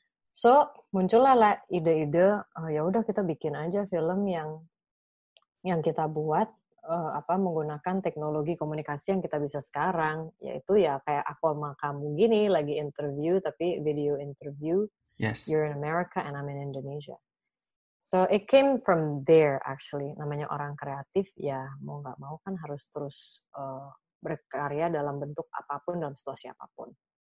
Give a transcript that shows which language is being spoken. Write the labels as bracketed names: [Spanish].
[Indonesian] So, muncullah lah ide-ide, ya udah kita bikin aja film yang kita buat menggunakan teknologi komunikasi yang kita bisa sekarang, yaitu ya kayak aku sama kamu gini lagi interview tapi video interview. [English] Yes. You're in America and I'm in Indonesia. So it came from there actually. [Indonesian] Namanya orang kreatif ya mau nggak mau kan harus terus berkarya dalam bentuk apapun dalam situasi apapun.